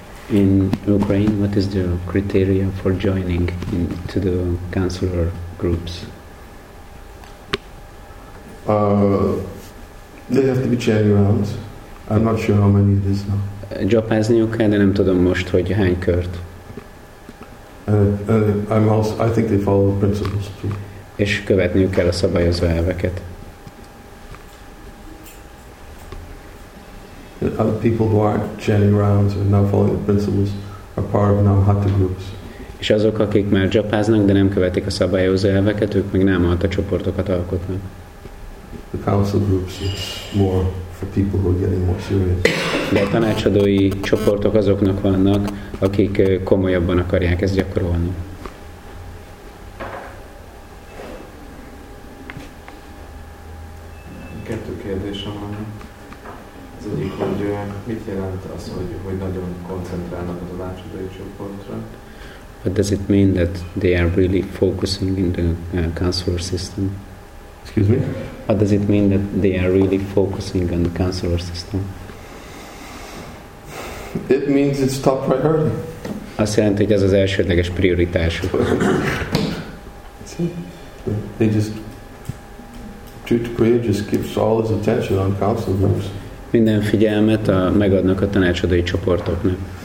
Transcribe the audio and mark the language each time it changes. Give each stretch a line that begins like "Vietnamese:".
English: In Ukraine, what is the criteria for joining into the counselor groups? They have to be chanting rounds. I'm not sure how many it is now.
Hungarian: Japázniuk kell, de nem tudom most, hogy hány kört.
English: I think they follow the principles too.
Hungarian: És követniük kell a szabályozó elveket.
English: Other people who aren't chanting rounds and not following the principles are part of non-hatha groups.
Hungarian: És azok, akik már japáznak, de nem követik a szabályozó elveket, ők meg nem hatha csoportokat alkotnak.
English: The council groups is more for people who are getting more serious.
Hungarian: De a tanácsadói csoportok azoknak vannak, akik komolyabban akarják ezt gyakorolni. Kettő kérdésem van. Az egyik, hogy mit jelent az, hogy nagyon koncentrálnak a tanácsadói csoportra?
English: What does it mean that they are really focusing in the counselor system? Excuse me? What does it mean that they are really focusing on the counselor system? It means it's top priority.
Hungarian: Azt jelenti, hogy ez az elsődleges prioritásuk.
English: They just Jyoti Priya just gives all his attention on council groups.
Hungarian: Minden figyelmet megadnak a tanácsadói csoportoknak.